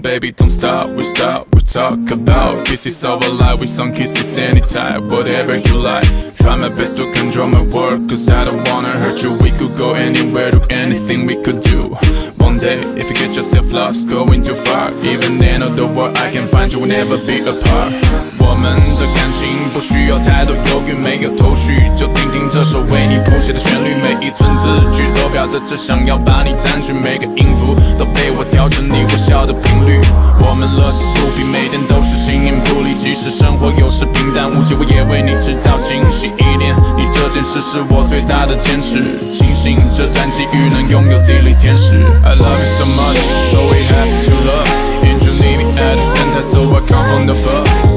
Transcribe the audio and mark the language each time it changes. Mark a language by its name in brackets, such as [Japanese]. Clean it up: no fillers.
[English] Baby, don't stop, we stop, we talk about. This is our life, with some kisses anytime, whatever you like. Try my best to control my word, cause I don't wanna hurt you. We could go anywhere, do anything we could do. One day, if you get yourself lost, going too far. Even end of the world, I can find you, we'll never be apart. [Chinese] 我们的感情不需要太多犹豫，没有头绪，就听听这首为你谱写的旋律。每一寸字句都表达着想要把你占据，每个音符都被我调整你微笑的频率。我们乐此不疲，每天都是形影不离，即使生活有时平淡无奇，我也为你制造惊喜。一点，你这件事是我最大的坚持，庆幸这段机遇能拥有地理天使。 [English] I love you so much, so we have to love. And you need me at the center, so I come from above.